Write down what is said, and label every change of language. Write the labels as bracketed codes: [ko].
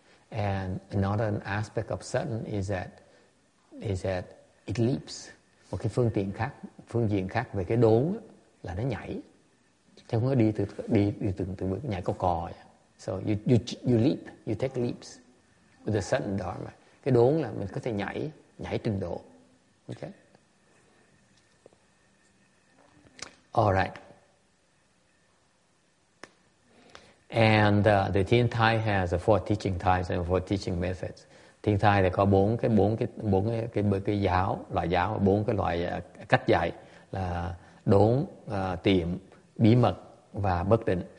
[en] And another aspect of certain is that it leaps. [vi] Một cái phương diện khác về cái đốn là nó nhảy. Chứ không có đi từ bước, nhảy cò vậy. [en] So you leap, you take leaps with the certain dharma. [vi] Cái đốn là mình có thể nhảy trình độ. [en] Okay. All right. And the Thiền Thai has four teaching types and four teaching methods. [vi] Thiền Thai thì có bốn cái giáo, loại giáo, bốn cái loại cách dạy là đốn, tiệm, bí mật và bất định.